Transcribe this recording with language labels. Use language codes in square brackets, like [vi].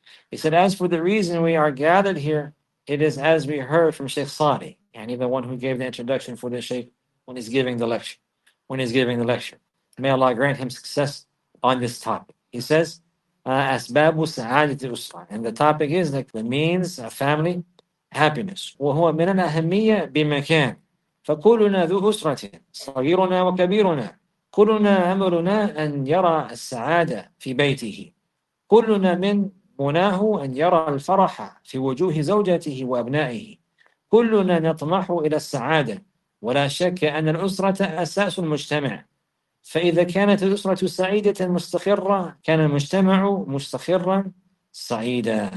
[en] He said, as for the reason we are gathered here, it is as we heard from Shaykh Salih, and even the one who gave the introduction for the Shaykh when he's giving the lecture. May Allah grant him success on this topic. He says, [ar] أَسْبَابُ سَعَادَةِ الْأُسْرَةِ. [en] And the topic is like the means of family happiness. [ar] وَهُوَ مِنَ الْأَهَمِّيَّةِ بِمَكَانٍ فَكُلُّنَا ذُو أُسْرَةٍ صَغِيرُنَا وَكَبِيرُنَا كُلُّنَا أَمْرُنَا أَنْ يَرَى السَّعَادَةَ فِي بَيْتِهِ كُلُّنَا مِنْ مُنَاهُ أَنْ يَرَى الْفَرَحَ فِي وُجُوهِ زَوْجَتِهِ وَأَبْنَائِهِ كُلُّنَا نَطْمَحُ إِلَى السَّعَادَةِ وَلَا شَكَّ أَنَّ الْأُسْرَةَ أَسَاسُ الْمُجْتَمَعِ فإذا كانت الأسرة سعيدة مستقرة كان المجتمع مستقرا سعيدا.